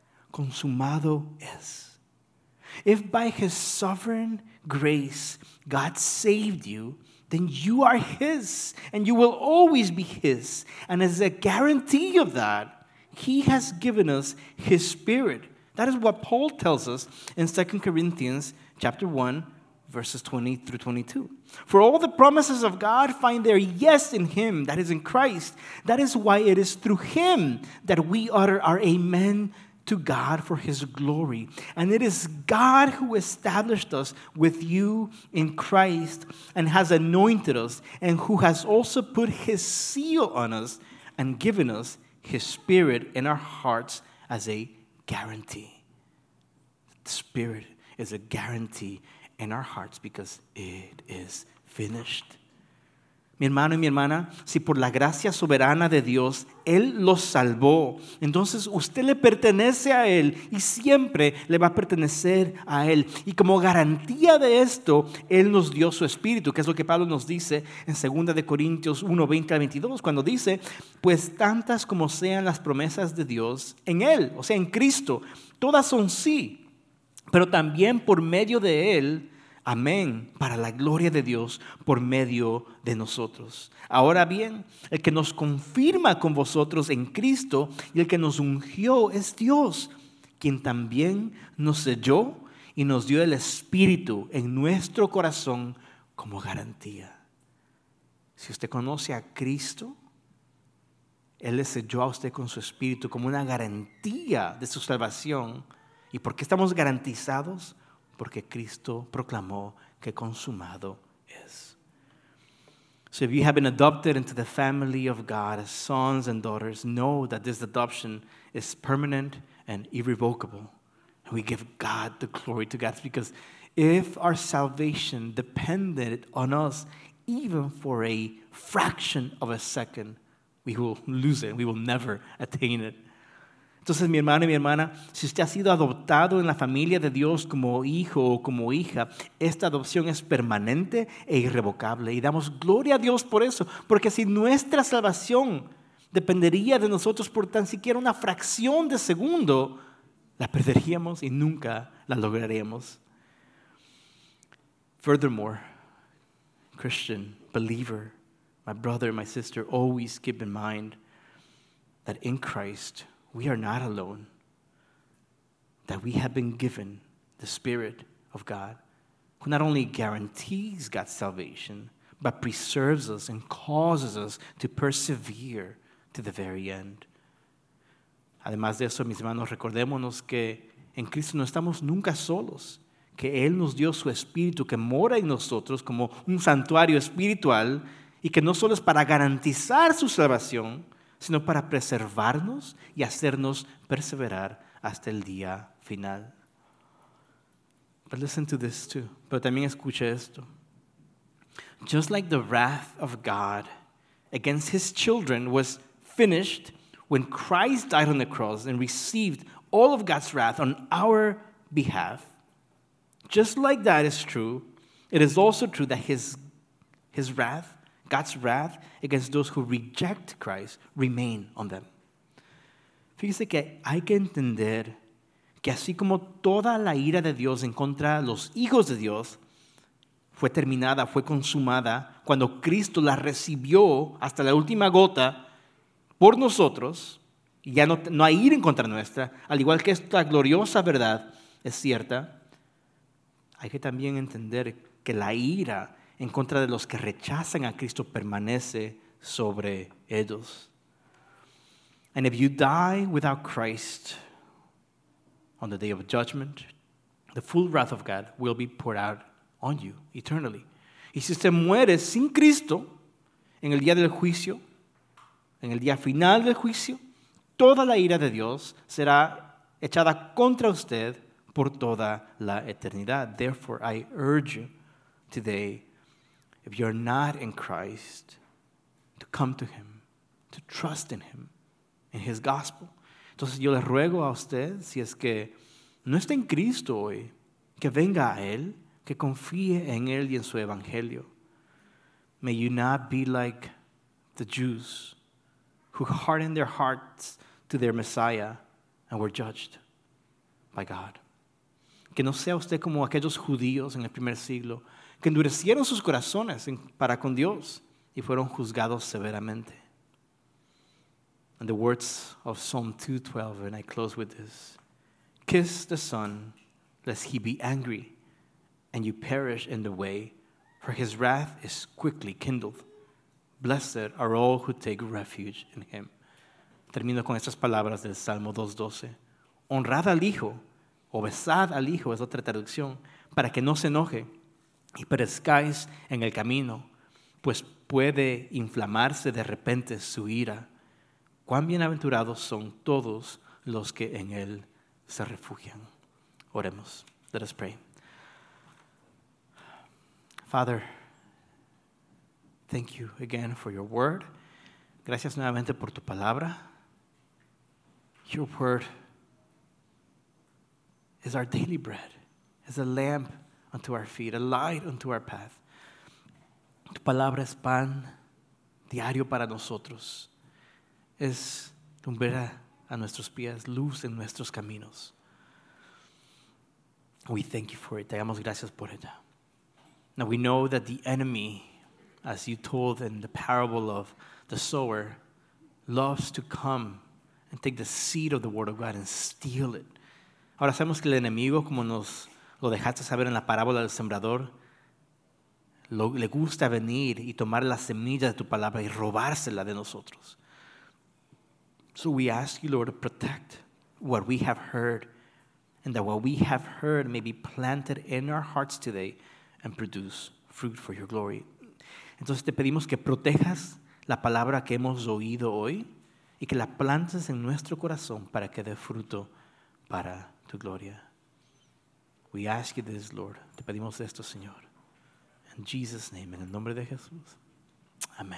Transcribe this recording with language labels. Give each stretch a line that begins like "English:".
Spanish: Consumado es.
English: If by his sovereign grace God saved you, then you are his and you will always be his. And as a guarantee of that, he has given us his spirit. That is what Paul tells us in 2 Corinthians chapter 1, verses 20 through 22. For all the promises of God find their yes in him, that is in Christ. That is why it is through him that we utter our amen to God for his glory. And it is God who established us with you in Christ and has anointed us and who has also put his seal on us and given us his spirit in our hearts as a guarantee. The spirit is a guarantee in our hearts because it is finished.
Spanish: Mi hermano y mi hermana, si por la gracia soberana de Dios, Él los salvó, entonces usted le pertenece a Él y siempre le va a pertenecer a Él. Y como garantía de esto, Él nos dio su Espíritu, que es lo que Pablo nos dice en 2 Corintios 1, 20 al 22, cuando dice, pues tantas como sean las promesas de Dios en Él, o sea, en Cristo, todas son sí, pero también por medio de Él, amén, para la gloria de Dios por medio de nosotros. Ahora bien, el que nos confirma con vosotros en Cristo y el que nos ungió es Dios, quien también nos selló y nos dio el Espíritu en nuestro corazón como garantía. Si usted conoce a Cristo, Él le selló a usted con su Espíritu como una garantía de su salvación. ¿Y por qué estamos garantizados? Porque Cristo proclamó que consumado es.
English: So if you have been adopted into the family of God as sons and daughters, know that this adoption is permanent and irrevocable. And we give God the glory to God because if our salvation depended on us even for a fraction of a second, we will lose it. We will never attain it.
Spanish: Entonces, mi hermano y mi hermana, si usted ha sido adoptado en la familia de Dios como hijo o como hija, esta adopción es permanente e irrevocable. Y damos gloria a Dios por eso. Porque si nuestra salvación dependería de nosotros por tan siquiera una fracción de segundo, la perderíamos y nunca la lograríamos.
English: Furthermore, Christian, believer, my brother, my sister, always keep in mind that in Christ, we are not alone, that we have been given the Spirit of God, who not only guarantees God's salvation, but preserves us and causes us to persevere to the very end.
Spanish: Además de eso, mis hermanos, recordémonos que en Cristo no estamos nunca solos, que Él nos dio su Espíritu que mora en nosotros como un santuario espiritual y que no solo es para garantizar su salvación, sino para preservarnos y hacernos perseverar hasta el día final.
English: But listen to this too.
Spanish: Pero también escucha esto.
English: Just like the wrath of God against his children was finished when Christ died on the cross and received all of God's wrath on our behalf, just like that is true, it is also true that his wrath, God's wrath against those who reject Christ, remain on them.
Spanish: Fíjese que hay que entender que así como toda la ira de Dios en contra de los hijos de Dios fue terminada, fue consumada, cuando Cristo la recibió hasta la última gota por nosotros, y ya no hay ira en contra nuestra, al igual que esta gloriosa verdad es cierta, hay que también entender que la ira en contra de los que rechazan a Cristo permanece sobre ellos.
English: And if you die without Christ on the day of judgment, the full wrath of God will be poured out on you eternally.
Spanish: Y si usted muere sin Cristo en el día del juicio, en el día final del juicio, toda la ira de Dios será echada contra usted por toda la eternidad.
English: Therefore, I urge you today, if you are not in Christ, to come to him, to trust in him, in his gospel.
Spanish: Entonces yo le ruego a usted, si es que no está en Cristo hoy, que venga a él, que confíe en él y en su evangelio.
English: May you not be like the Jews who hardened their hearts to their Messiah and were judged by God.
Spanish: Que no sea usted como aquellos judíos en el primer siglo que endurecieron sus corazones para con Dios y fueron juzgados severamente.
English: And the words of Psalm 2:12, and I close with this. Kiss the Son, lest he be angry, and you perish in the way, for his wrath is quickly kindled. Blessed are all who take refuge in him.
Spanish: Termino con estas palabras del Salmo 2:12. Honrad al Hijo, o besad al Hijo, es otra traducción, para que no se enoje y perezcáis en el camino, pues puede inflamarse de repente su ira. Cuán bienaventurados son todos los que en él se refugian. Oremos.
English: Let us pray. Father, thank you again for your word.
Spanish: Gracias nuevamente por tu palabra.
English: Your word is our daily bread, is a lamp unto our feet, a light unto our path.
Spanish: Tu palabra es pan diario para nosotros. Es lumbrera a nuestros pies, luz en nuestros caminos.
English: We thank you for it.
Spanish: Te damos gracias por ella.
English: Now we know that the enemy, as you told in the parable of the sower, loves to come and take the seed of the word of God and steal it.
Spanish: Ahora sabemos que el enemigo, como nos lo dejaste saber en la parábola del sembrador, le gusta venir y tomar la semilla de tu palabra y robársela de nosotros.
English: So we ask you, Lord, to protect what we have heard, and that what we have heard may be planted in our hearts today and produce fruit for your glory.
Spanish: Entonces te pedimos que protejas la palabra que hemos oído hoy y que la plantes en nuestro corazón para que dé fruto para tu gloria.
English: We ask you this, Lord.
Spanish: Te pedimos esto, Señor.
English: In Jesus' name,
Spanish: en el nombre de Jesús.
English: Amen.